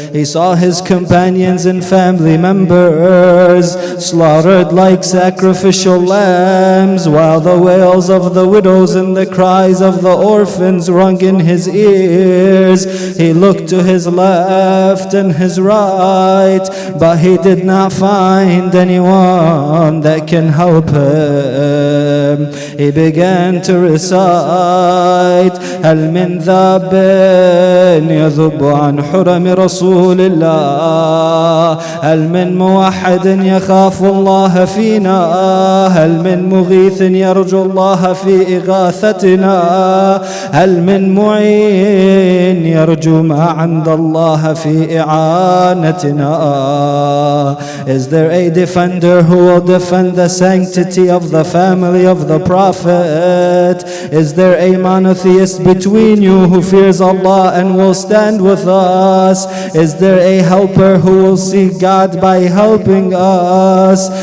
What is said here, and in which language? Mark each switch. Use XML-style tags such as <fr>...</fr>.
<en>He saw his companions and family members slaughtered like sacrificial lambs, while the wails of the widows and the cries of the orphans rung in his ears. He looked to his left and his right, but he did not find anyone that can help him. He began to recite,</en> <ar>هَلْ مِنْ ذَابٍ يَذُبُ عَنْ حُرَمِ رَسُولِ اللَّهِ هَلْ مِنْ مُوَحَّدٍ يَخَافُ اللَّهَ فِينَا هَلْ مِنْ مُغِيثٍ يَرْجُو اللَّهَ فِي إِغَاثَتِنَا هَلْ مِنْ مُعِينٍ يَرْجُو مَا عِنْدَ اللَّهَ فِي إِعَانَتِنَا.</ar> <en>Is there a defender who will defend the sanctity of the family of the Prophet? Is there a monotheist between you who fears Allah and will stand with us? Is there a helper who will seek God by helping us?</en>